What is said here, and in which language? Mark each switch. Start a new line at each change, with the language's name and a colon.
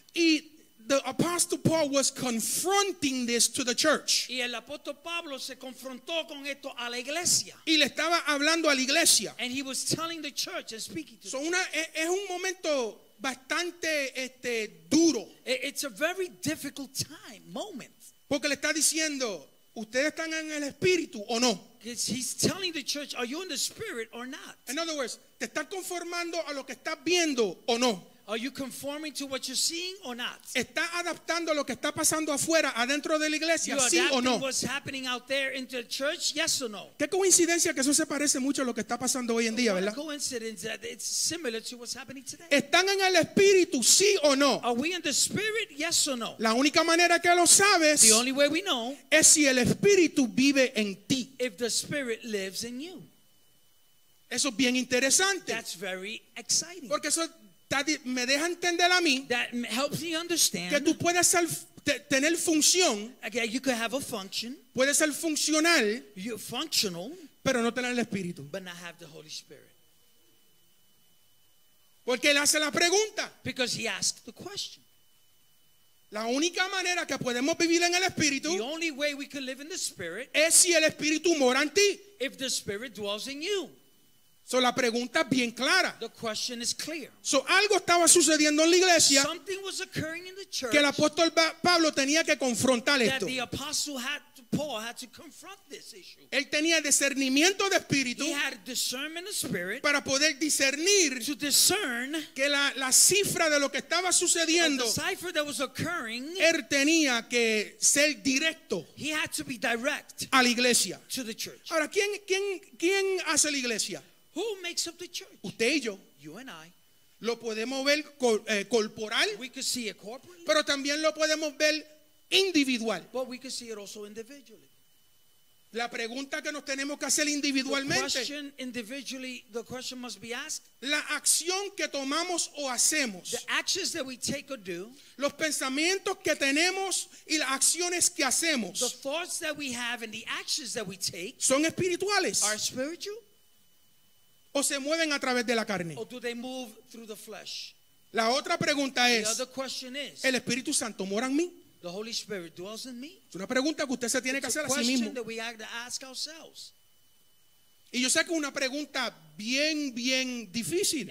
English: Y the Apostle Paul was confronting this to the church.
Spanish: Y el apóstol Pablo se confrontó con esto a la iglesia. Y le estaba hablando a la iglesia.
English: And he was telling the church and speaking to
Spanish: them. So una, es un momento bastante duro.
English: It's a very difficult time, moment.
Spanish: Porque le está diciendo, ¿ustedes están en el espíritu o no?
English: Because he's telling the church, are you in the spirit or not? In other words,
Spanish: ¿te estás conformando a lo que estás viendo o no?
English: Are you conforming to what you're seeing or not?
Spanish: ¿Está adaptando lo que está pasando afuera, adentro de la iglesia, sí o no?
English: What's happening out there into the church, yes or no?
Spanish: ¿Qué coincidencia que eso se parece mucho a lo que está pasando hoy en día,
English: what
Spanish: verdad?
English: Coincidence that it's similar to what's happening today.
Spanish: ¿Están en el espíritu, sí o no?
English: Are we in the spirit, yes or no?
Spanish: La única manera que lo sabes,
English: the only way we know,
Spanish: es si el espíritu vive en ti.
English: If the spirit lives in you.
Spanish: Eso es bien interesante.
English: That's very exciting.
Spanish: Porque eso me deja entender a mí que tú puedes ser, tener función,
English: okay, you could have a function,
Spanish: puedes ser funcional,
English: you're functional,
Spanish: pero no tener el Espíritu.
English: But not have the Holy Spirit.
Spanish: Porque él hace la pregunta.
English: Because he asked the question.
Spanish: La única manera que podemos vivir en el Espíritu,
English: the only way we can live in the Spirit,
Spanish: es si el Espíritu mora en ti.
English: If the Spirit dwells in you.
Spanish: So la pregunta es bien clara.
English: The question is clear.
Spanish: So algo estaba sucediendo en la iglesia.
English: Something was occurring in the church.
Spanish: Que el apóstol Pablo tenía que confrontar
English: that
Spanish: esto.
English: The apostle Paul had to confront this issue.
Spanish: Él tenía discernimiento de espíritu.
English: He had discernment of spirit.
Spanish: Para poder discernir.
English: To discern.
Spanish: Que la cifra de lo que estaba sucediendo.
English: The cipher that was occurring.
Spanish: Él tenía que ser directo.
English: He had to be direct.
Spanish: A la iglesia.
English: To the church.
Spanish: Ahora, ¿quién hace la iglesia?
English: Who makes up the church?
Spanish: Usted y yo.
English: You and I.
Spanish: Lo podemos ver corporal.
English: We could see it corporally.
Spanish: Pero también lo podemos ver individual.
English: But we could see it also individually.
Spanish: La pregunta que nos tenemos que hacer individualmente.
English: The question individually, the question must be asked.
Spanish: La acción que tomamos o hacemos.
English: The actions that we take or do.
Spanish: Los pensamientos que tenemos y las acciones que hacemos.
English: The thoughts that we have and the actions that we take.
Spanish: Son espirituales.
English: Are spiritual.
Spanish: ¿O se mueven a través de la carne?
English: Or do they move through the flesh?
Spanish: La otra pregunta es,
English: the other question is,
Spanish: ¿el Espíritu Santo mora en mí?
English: The Holy Spirit dwells in me?
Spanish: Es una pregunta que usted se tiene
English: It's
Spanish: que hacer
English: a, question
Spanish: a sí mismo.
English: That we have to ask ourselves.
Spanish: Y yo sé que es una pregunta bien, bien difícil.